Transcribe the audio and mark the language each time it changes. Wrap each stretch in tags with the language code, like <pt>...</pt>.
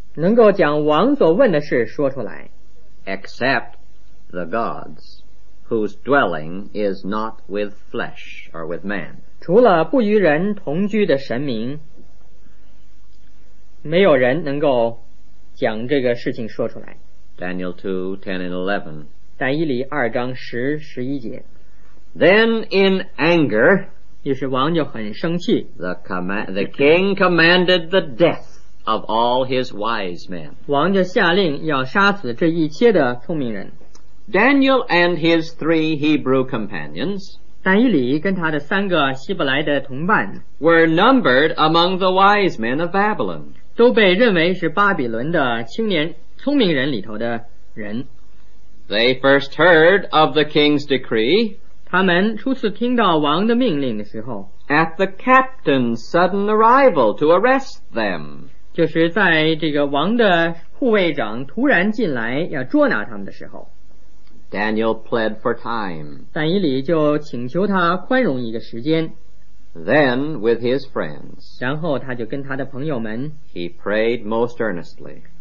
<zh>能够将王所问的事说出来，</zh> <en>except the gods, whose dwelling is not with flesh or with man,</en> <zh>除了不与人同居的神明。没有人能够讲这个事情说出来。 Daniel 2:10-11。但以理二章十十一节。</zh> <en>Then in anger,</en> <zh>于是王就很生气。</zh> <en>The king commanded the death of all his wise men.</en> <zh>王就下令要杀死这一切的聪明人。</zh> <en>Daniel and his three Hebrew companions,</en> <zh>但以理跟他的三个希伯来的同伴</zh> <en>were numbered among the wise men of Babylon.</en> <zh>都被认为是巴比伦的青年聪明人里头的人。</zh> <en>They first heard of the king's decree,</en> <zh>他们初次听到王的命令的时候</zh> <en>at the captain's sudden arrival to arrest them,</en> <zh>就是在这个王的护卫长突然进来要捉拿他们的时候。</zh> <en>Daniel pled for time.</en> <zh>但以理就请求他宽容一个时间。</zh> <en>Then with his friends,</en> <zh>然后他就跟他的朋友们</zh> <en>he prayed most earnestly,</en>